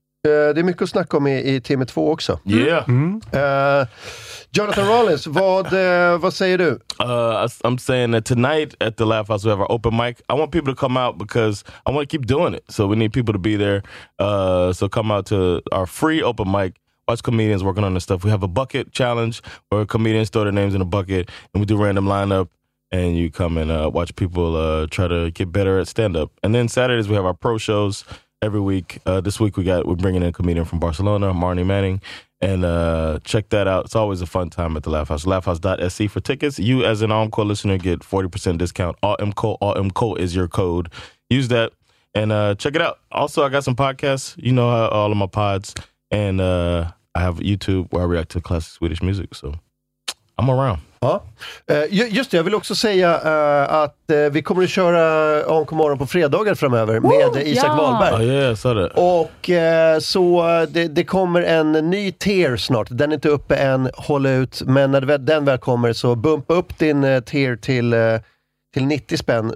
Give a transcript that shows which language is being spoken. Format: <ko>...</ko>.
<sv>Det är mycket att snacka om i timme två också.</sv> <en>Yeah.</en> <sv>Jonathan Rollins, vad säger du?</sv> <en>I'm saying that tonight at the Laugh House we have our open mic. I want people to come out because I want to keep doing it. So we need people to be there. So come out to our free open mic. Watch comedians working on this stuff. We have a bucket challenge where comedians throw their names in a bucket and we do random lineup. And you come and watch people try to get better at stand-up. And then Saturdays we have our pro shows. Every week, this week we're bringing in a comedian from Barcelona, Marnie Manning, and check that out. It's always a fun time at the Laugh House. Laughhouse.se for tickets. You, as an AMCO listener, get 40% discount. AMCO is your code. Use that and check it out. Also, I got some podcasts. You know all of my pods, and I have YouTube where I react to classic Swedish music. So I'm around.</en> <sv>Ja, just det. Jag vill också säga att vi kommer att köra AMK morgon på fredagar framöver med Isak Wahlberg.</sv> <en>Oh, yeah, sorry.</en> <sv>Och så det kommer en ny tier snart. Den är inte uppe än, håll ut. Men när den väl kommer så bumpa upp din tier till 90 spänn.</sv>